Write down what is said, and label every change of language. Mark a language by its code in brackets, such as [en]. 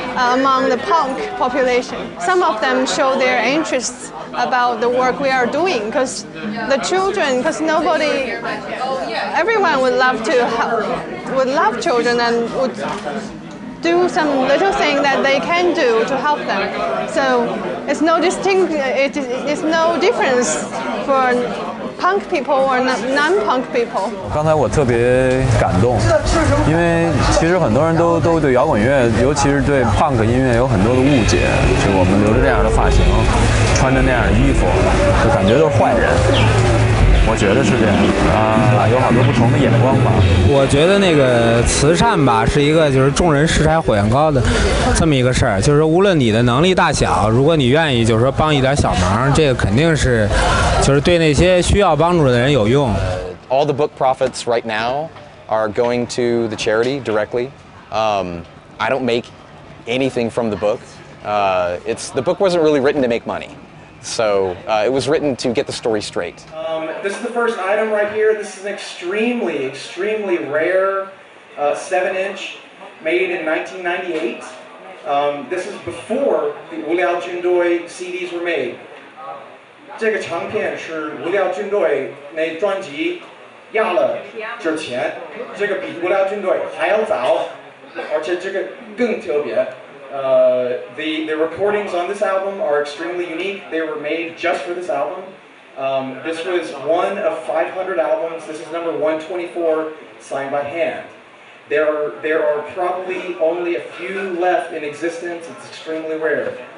[en] among the punk population. Some of them show their interest about the work we are doing, because the children, because nobody, everyone would love to help, would love children and would do some little thing that they can do to help them. So it's no distinct, it's no difference for punk people or non-punk people. [zh] 刚才我特别感动，因为其实很多人都对摇滚乐，尤其是对 punk 音乐有很多的误解，就我们留着这样的发型，穿着那样的衣服，就感觉都是坏人。我觉得是这样啊，有好多不同的眼光吧。我觉得那个慈善吧，是一个就是众人拾柴火焰高的这么一个事儿，就是无论你的能力大小，如果你愿意就是说帮一点小忙，这个肯定是就是对那些需要帮助的人有用。 [en] All the book profits right now are going to the charity directly. I don't make anything from the book. It's the book wasn't really written to make money. So it was written to get the story straight. This is the first item right here. This is an extremely, extremely rare 7-inch made in 1998. This is before the 无聊军队 CDs were made. [zh] 这个唱片是无聊军队那专辑压了之前，这个比无聊军队还要早，而且这个更特别。 [en] The recordings on this album are extremely unique. They were made just for this album. This was one of 500 albums. This is number 124 signed by hand. There are probably only a few left in existence. It's extremely rare.